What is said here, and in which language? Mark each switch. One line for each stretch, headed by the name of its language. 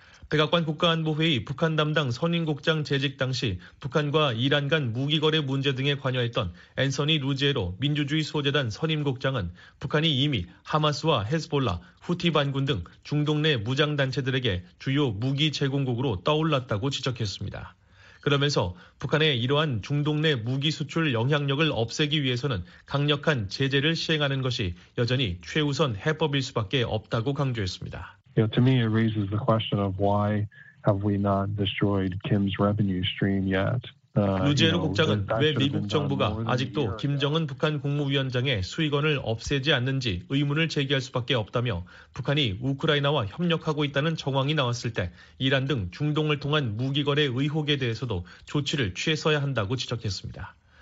Korean: 백악관 국가안보회의 북한 담당 선임국장 재직 당시 북한과 이란 간 무기 거래 문제 등에 관여했던 앤서니 루지에로 민주주의 소재단 선임국장은 북한이 이미 하마스와 헤즈볼라, 후티 반군 등 중동 내 무장단체들에게 주요 무기 제공국으로 떠올랐다고 지적했습니다. 그러면서 북한의 이러한 중동 내 무기 수출 영향력을 없애기 위해서는 강력한 제재를 시행하는 것이 여전히 최우선 해법일 수밖에 없다고 강조했습니다.
English: Yeah, to me, it raises the question of why have we not destroyed Kim's revenue stream yet?
Korean: 루제르 국장은 왜 미국 정부가 아직도 김정은 북한 국무위원장의 수익원을 없애지 않는지 의문을 제기할 수밖에 없다며 북한이 우크라이나와 협력하고 있다는 정황이 나왔을 때 이란 등 중동을 통한 무기 거래 의혹에 대해서도 조치를 취했어야 한다고 지적했습니다.